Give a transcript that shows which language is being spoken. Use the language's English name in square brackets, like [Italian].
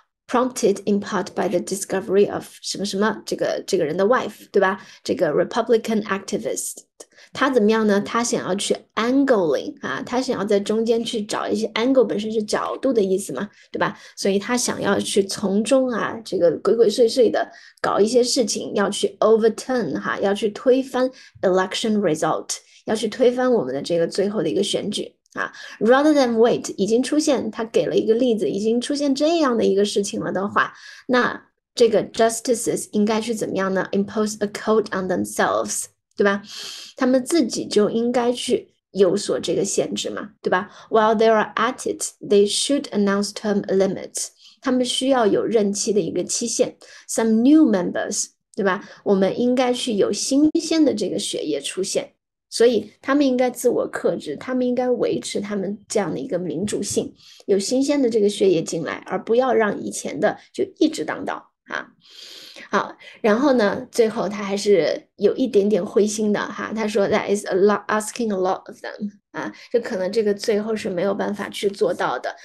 [English] Prompted in part by the discovery of [Chinese] 什么什么，这个人的 [English] wife，对吧？ [Chinese] 这个 Republican activist，他怎么样呢？他想要去 angling 啊，他想要在中间去找一些 angle，本身是角度的意思嘛，对吧？所以他想要去从中啊，这个鬼鬼祟祟的搞一些事情，要去 overturn 哈，要去推翻 election result，要去推翻我们的这个最后的一个选举。啊， [English] rather than wait， [Chinese] 已经出现，他给了一个例子，已经出现这样的一个事情了的话，那这个 justices 应该去怎么样呢？ [English] Impose a code on themselves， [Chinese] 对吧？他们自己就应该去有所这个限制嘛，对吧？ [English] While they are at it，they should announce term limits， [Chinese] 他们需要有任期的一个期限。 [English] Some new members，对吧？ [Chinese] 我们应该去有新鲜的这个血液出现。所以他们应该自我克制，他们应该维持他们这样的一个民主性，有新鲜的这个血液进来，而不要让以前的就一直当道啊。好，然后呢，最后他还是有一点点灰心的哈，他说 [English] "That is a lot asking a lot of them" [Chinese] 啊，这可能这个最后是没有办法去做到的。